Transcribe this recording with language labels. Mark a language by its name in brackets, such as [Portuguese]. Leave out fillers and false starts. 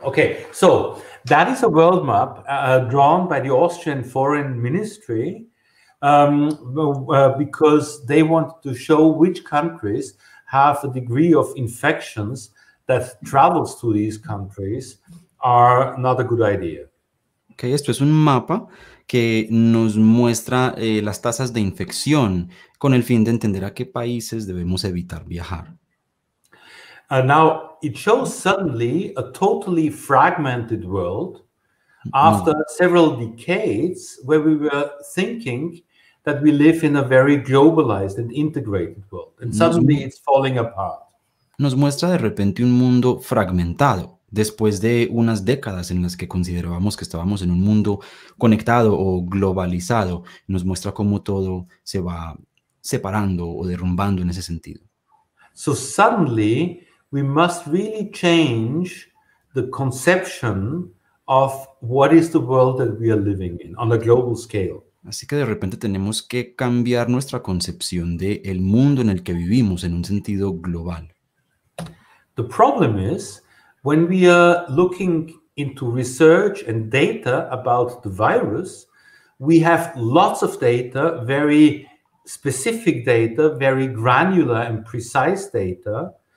[English] Okay, so that is a world map drawn by the Austrian Foreign Ministry because they want to show which countries have a degree of infections that travels to these countries are not a good idea. [Spanish] Okay, esto es un mapa que nos muestra las tasas de infección con el fin de entender a qué países debemos evitar viajar. [English] Now, it shows suddenly a totally fragmented world after several decades where we were thinking that we live in a very globalized and integrated world. And suddenly it's falling apart. [Spanish] Nos muestra de repente un mundo fragmentado después de unas décadas en las que considerábamos que estábamos en un mundo conectado o globalizado. Nos muestra cómo todo se va separando o derrumbando en ese sentido. [English] So suddenly we must really change the conception of what is the world that we are living in on a global scale. [Spanish] Así que de repente tenemos que cambiar nuestra concepción de el mundo en el que vivimos en un sentido global. [English] The problem is when we are looking into research and data about the virus, we have lots of data, very specific data, very granular and precise data.